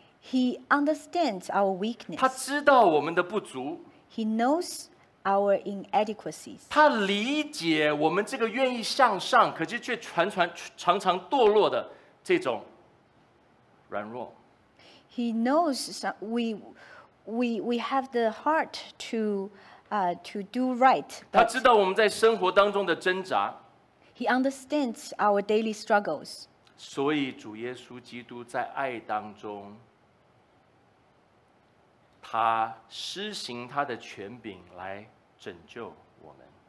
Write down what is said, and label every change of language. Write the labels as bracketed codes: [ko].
[en] He understands our weakness. [zh] 他知道我们的不足。 [en] He knows our inadequacies. [zh] 他理解我们这个愿意向上，可是却常常堕落的这种软弱。 [en] He knows we have the heart to do right. [zh] 他知道我们在生活当中的挣扎。 [en] He understands our daily struggles. [zh] 所以主耶稣基督在爱当中，他施行他的权柄来拯救我们。